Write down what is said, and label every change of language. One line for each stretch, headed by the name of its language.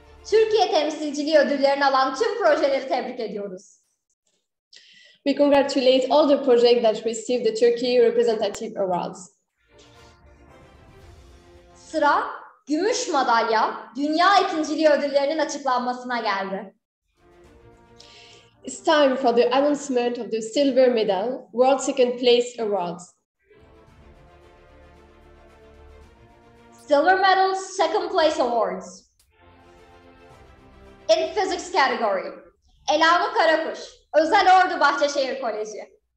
Turkish: Türkiye temsilciliği ödüllerini alan tüm projeleri tebrik ediyoruz.
English: We congratulate all the projects that received the Turkey Representative Awards.
Turkish: Sıra Gümüş Madalya, Dünya İkinciliği Ödüllerinin açıklanmasına geldi.
English: It's time for the announcement of the Silver Medal, World Second Place Awards. Silver Medal Second Place Awards. In Physics Category, Elanu Karakuş, Özel Ordu Bahçeşehir Koleji.